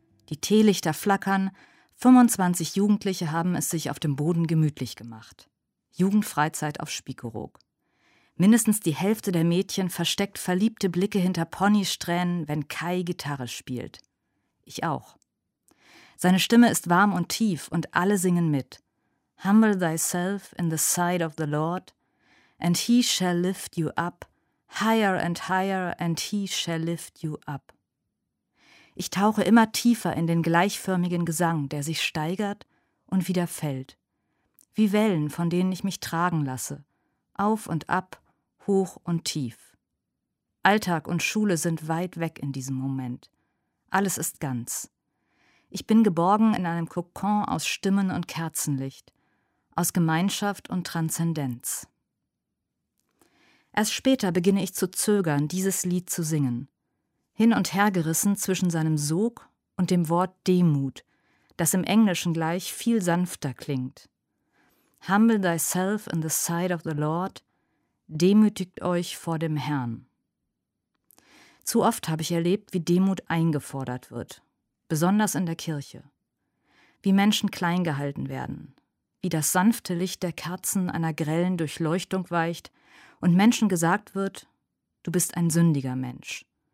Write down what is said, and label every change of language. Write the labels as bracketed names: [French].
[German] Die Teelichter flackern, 25 Jugendliche haben es sich auf dem Boden gemütlich gemacht. Jugendfreizeit auf Spiekeroog. Mindestens die Hälfte der Mädchen versteckt verliebte Blicke hinter Ponysträhnen, wenn Kai Gitarre spielt. Ich auch. Seine Stimme ist warm und tief und alle singen mit. [English] Humble thyself in the sight of the Lord. And he shall lift you up, higher and higher, and he shall lift you up. [German] Ich tauche immer tiefer in den gleichförmigen Gesang, der sich steigert und wieder fällt. Wie Wellen, von denen ich mich tragen lasse. Auf und ab, hoch und tief. Alltag und Schule sind weit weg in diesem Moment. Alles ist ganz. Ich bin geborgen in einem Kokon aus Stimmen und Kerzenlicht, aus Gemeinschaft und Transzendenz. Erst später beginne ich zu zögern, dieses Lied zu singen. Hin und her gerissen zwischen seinem Sog und dem Wort Demut, das im Englischen gleich viel sanfter klingt. [English] Humble thyself in the sight of the Lord. [German] Demütigt euch vor dem Herrn. Zu oft habe ich erlebt, wie Demut eingefordert wird. Besonders in der Kirche. Wie Menschen klein gehalten werden. wie das sanfte Licht der Kerzen einer grellen Durchleuchtung weicht und Menschen gesagt wird, du bist ein sündiger Mensch.